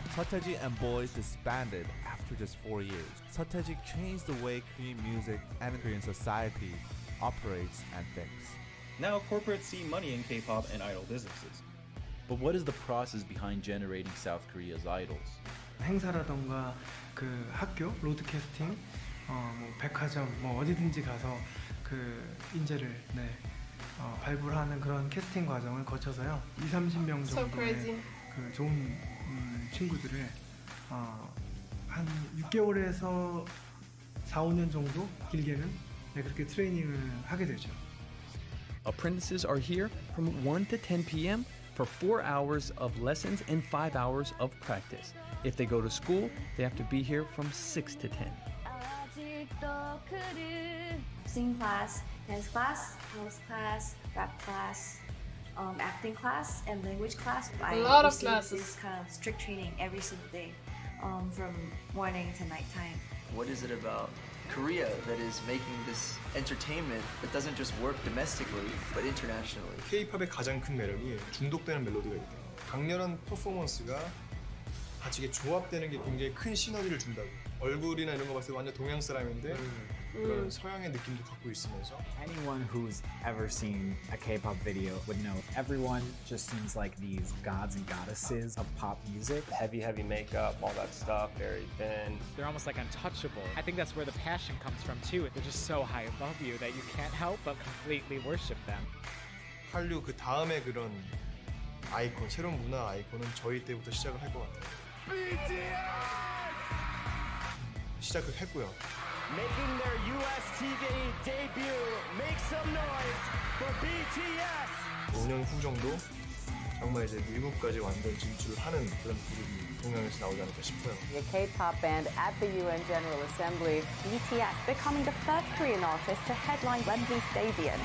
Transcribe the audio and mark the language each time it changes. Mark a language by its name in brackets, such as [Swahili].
[English] Strategy and Boys disbanded after just 4 years. Strategy changed the way Korean music and Korean society operates and thinks. Now corporates see money in K-pop and idol businesses. But what is the process behind generating South Korea's idols? [Korean] 행사라던가 그 학교, 로드캐스팅, 뭐 백화점, 뭐 어디든지 가서 그 인재를 네, 발굴 하는 그런 캐스팅 과정을 거쳐서요. 20, 30명 정도의 [English] so [Korean] 그 좋은 친구들을 한 6개월에서 4, 5년 정도 길게는 네, 그렇게 트레이닝을 하게 되죠. [English] Apprentices are here from 1 to 10 p.m. for 4 hours of lessons and 5 hours of practice. If they go to school, they have to be here from 6 to 10. Sing class, dance class, house class, rap class, acting class, and language class. A lot of classes. This kind of strict training every single day, from morning to nighttime. What is it about Korea that is making this entertainment that doesn't just work domestically but internationally? [Korean] K-pop의 가장 큰 매력이 중독되는 멜로디가 있다. 강렬한 퍼포먼스가 같이 이게 조합되는 게 굉장히 큰 시너지를 준다고. 얼굴이나 이런 거 봤을 때 완전 동양 사람인데 그런 서양의 느낌도 갖고 있으면서. [English] Anyone who's ever seen a K-pop video would know everyone just seems like these gods and goddesses of pop music. Heavy, heavy makeup, all that stuff, very thin. They're almost like untouchable. I think that's where the passion comes from too. They're just so high above you that you can't help but completely worship them. [Korean] 한류 그 다음에 그런 아이콘, 새로운 문화 아이콘은 저희 때부터 시작을 할 것 같아요. [English] BTS! [Korean] 시작을 했고요. [English] Making their US TV debut, make some noise for BTS! [Korean] 5년 후 정도 정말 이제 미국까지 완전 진출을 하는 그런 그룹이 동양에서 나오지 않을까 싶어요. [English] The K-pop band at the UN General Assembly, BTS, becoming the first Korean artist to headline Wembley Stadium.